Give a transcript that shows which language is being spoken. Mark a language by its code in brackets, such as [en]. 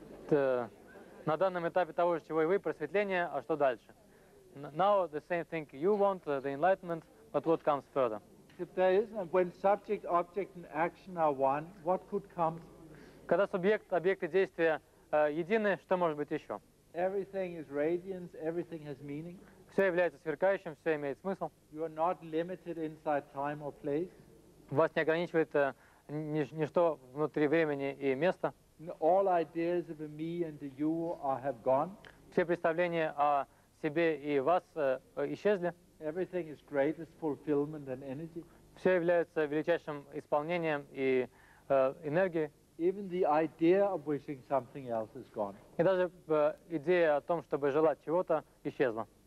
[ru] На данном этапе того же, чего и вы, просветление, а что дальше? [en] Now the same thing you want, the enlightenment, but what comes further? If there is, and when subject, object and action are one, what could come? [ru] Когда субъект, объект и действие едины, что может быть еще? [en] Everything is radiance, everything has meaning. [ru] Все является сверкающим, все имеет смысл. [en] You are not limited inside time or place. [ru] Вас не ограничивает ничто внутри времени и места. [en] All ideas of a me and a you are have gone. [ru] Все представления о себе и вас исчезли. [en] Everything is greatest fulfillment and energy. [ru] Все является величайшим исполнением и энергией. [en] Even the idea of wishing something else is gone. [ru] И даже идея о том, чтобы желать чего-то, исчезла.